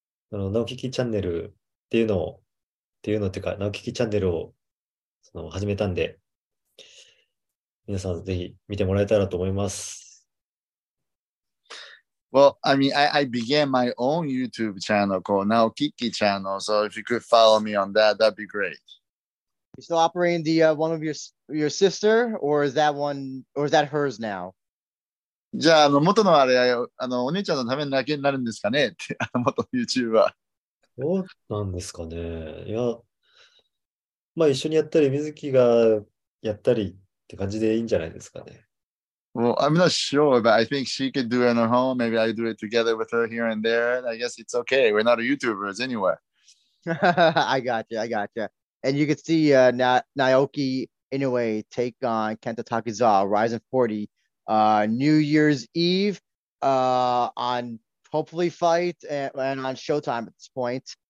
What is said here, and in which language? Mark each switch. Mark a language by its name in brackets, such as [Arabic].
[Japanese] ナオキキチャンネルっていうかナオキキチャンネルをその始めたんで。皆さんぜひ見てもらえたらと思います。 [English] Well, I mean, I began my own YouTube channel called Naokiki Channel, so if you could follow me on that, that'd be great. You still operating the one of your sister, or is that one, or is that hers now? [Japanese] じゃあ、元のあれ、お姉ちゃんのためだけになるんですかねって、元 YouTuber。どうなんですかね。いや、まあ一緒にやったり、水木がやったり、って感じでいいんじゃないですかね。 [English] Well, I'm not sure, but I think she could do it on her own. Maybe I do it together with her here and there. I guess it's okay. We're not YouTubers anyway. I got you. And you can see Naoki Inoue take on Kenta Takizawa, Ryzen 40, New Year's Eve on hopefully Fight and on Showtime at this point.